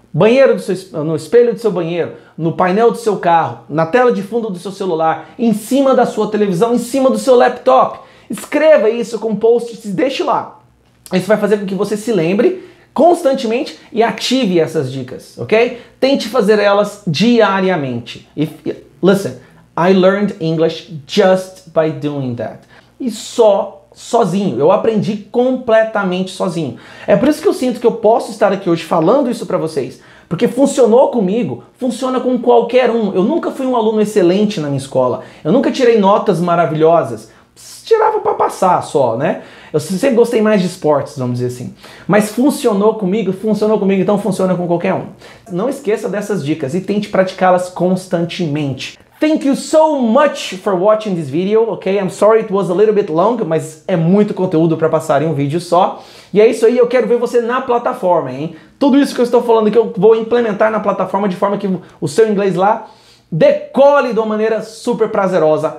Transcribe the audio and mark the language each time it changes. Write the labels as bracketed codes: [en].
[pt] Banheiro no espelho do seu banheiro, no painel do seu carro, na tela de fundo do seu celular, em cima da sua televisão, em cima do seu laptop. Escreva isso com post-its e deixe lá. Isso vai fazer com que você se lembre constantemente e ative essas dicas, ok? Tente fazer elas diariamente. [en] Listen, I learned English just by doing that. [pt] E só sozinho. Eu aprendi completamente sozinho. É por isso que eu sinto que eu posso estar aqui hoje falando isso pra vocês. Porque funcionou comigo, funciona com qualquer um. Eu nunca fui um aluno excelente na minha escola. Eu nunca tirei notas maravilhosas. Tirava pra passar só, né? Eu sempre gostei mais de esportes, vamos dizer assim. Mas funcionou comigo, então funciona com qualquer um. Não esqueça dessas dicas e tente praticá-las constantemente. [en] Thank you so much for watching this video, ok? I'm sorry it was a little bit long, [pt] mas é muito conteúdo para passar em um vídeo só. E é isso aí, eu quero ver você na plataforma, hein? Tudo isso que eu estou falando aqui eu vou implementar na plataforma de forma que o seu inglês lá decole de uma maneira super prazerosa.